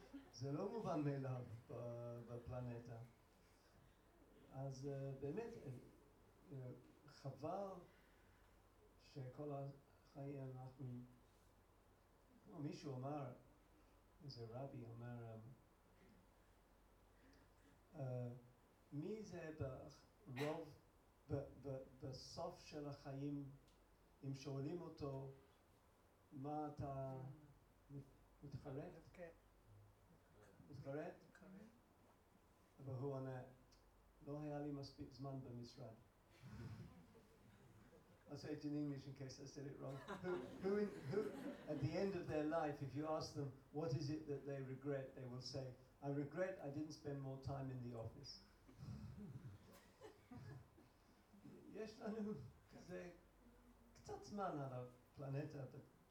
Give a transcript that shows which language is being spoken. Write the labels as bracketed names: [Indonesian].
[Hebrew] זה לא מובן מאליו בפלנטה. אז באמת, חבל שכל החיים אנחנו, מישהו אמר, איזה רבי אמר, מי זה ברוב, בסוף של החיים, אם שואלים אותו מה אתה מתחרט? מתחרט? והוא ענה, לא היה לי מספיק זמן במשרד. [English] I say it in English in case I said it wrong. Who at the end of their life, if you ask them what is it that they regret, they will say, I regret I didn't spend more time in the office. [Hebrew] יש לנו כזה קצת זמן על הפלנטה, but